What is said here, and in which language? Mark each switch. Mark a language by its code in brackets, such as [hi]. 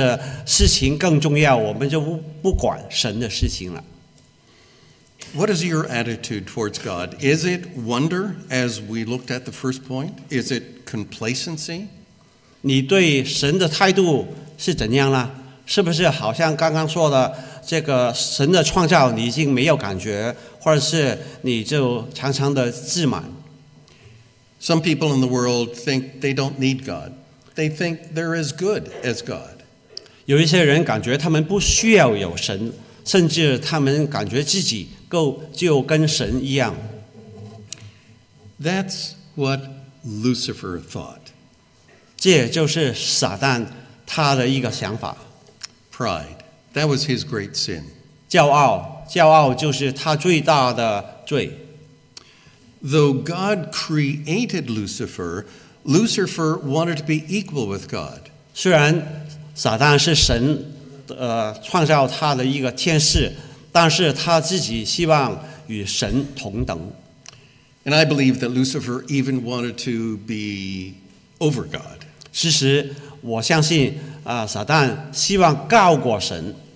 [zh] 因为很多时候我们感觉我们自己的事情更重要, 我们就不管神的事情了。 [en] What is your attitude towards God? Is it wonder, as we looked at the first point? Is it complacency? [zh] 你对神的态度是怎样呢? 是不是好像刚刚说的, 这个神的创造你已经没有感觉，或者是你就常常的自满。 [en] Some people in the world think they don't need God. They think they're as good as God. [zh] 有一些人感觉他们不需要有神，甚至他们感觉自己够就跟神一样。 [en] That's what Lucifer thought. [zh] 这就是撒旦他的一个想法。 [en] Pride. That was his great sin. [zh] 骄傲，骄傲就是他最大的罪。 [en] Though God created Lucifer, Lucifer wanted to be equal with God. [zh] 虽然撒旦是神创造他的一个天使，但是他自己希望与神同等。 [en] And I believe that Lucifer even wanted to be over God. [zh] 事实，我相信撒旦希望高过神。